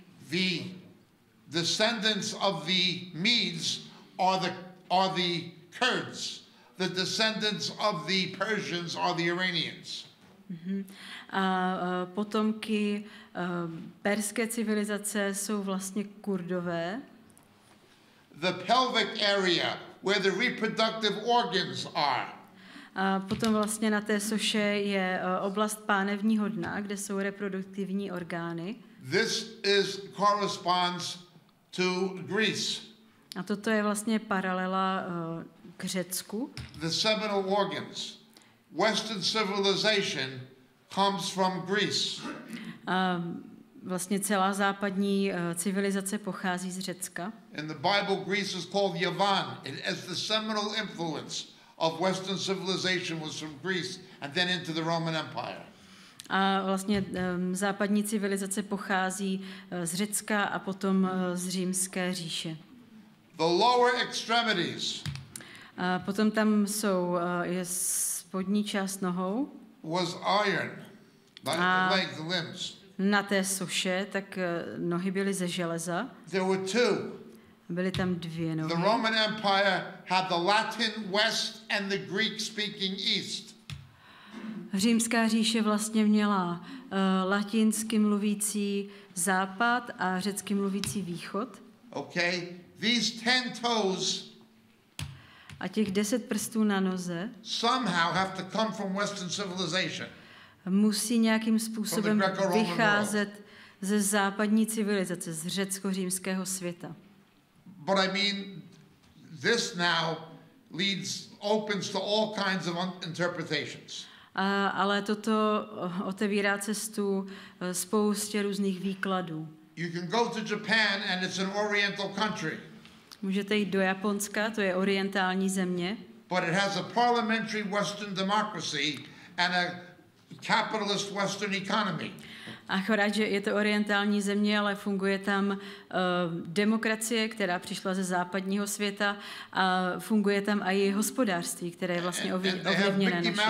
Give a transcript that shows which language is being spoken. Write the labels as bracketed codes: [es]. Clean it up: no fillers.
[en] The descendants of the Medes are the Kurds. The descendants of the Persians are the Iranians. [cs] A potomky perské civilizace jsou vlastně Kurdové. [en] The pelvic area where the reproductive organs are. [cs] A potom vlastně na té soše je oblast pánevního dna, kde jsou reproduktivní orgány. [en] This is corresponds to Greece. [cs] A toto je vlastně paralela k Řecku. [en] The seminal organs. Western civilization comes from Greece. [cs] Vlastně celá západní civilizace pochází z Řecka. [en] In the Bible, Greece is called Yavan. It is the seminal influence of Western civilization was from Greece and then into the Roman Empire. [cs] A vlastně západní civilizace pochází z Řecka a potom z Římské říše. [en] the lower extremities. [cs] Potom tam jsou je spodní část nohou. [en] Was iron, like the leg, the limbs. [cs] Na té suše, tak nohy byly ze železa. [en] There were two. [cs] Byly tam dvě nohy. [en] The Roman Empire had the Latin West and the Greek speaking East. [cs] Římská říše vlastně měla latinsky mluvící západ a řecky mluvící východ. [en] Okay. These 10 toes. [cs] A těch 10 prstů na noze. [en] Somehow have to come from Western civilization. [cs] Musí nějakým způsobem vycházet ze západní civilizace, z řecko-římského světa. [en] But I mean, this now leads, opens to all kinds of interpretations. [cs] Ale toto otevírá cestu spoustě různých výkladů. [en] You can go to Japan and it's an oriental country. [cs] Můžete jít do Japonska, to je orientální země. [en] But it has a parliamentary Western democracy and a capitalist Western economy. [cs] Akorát, že je to orientální země, ale funguje tam demokracie, která přišla ze západního světa, a funguje tam i hospodářství, které je vlastně ovlivněné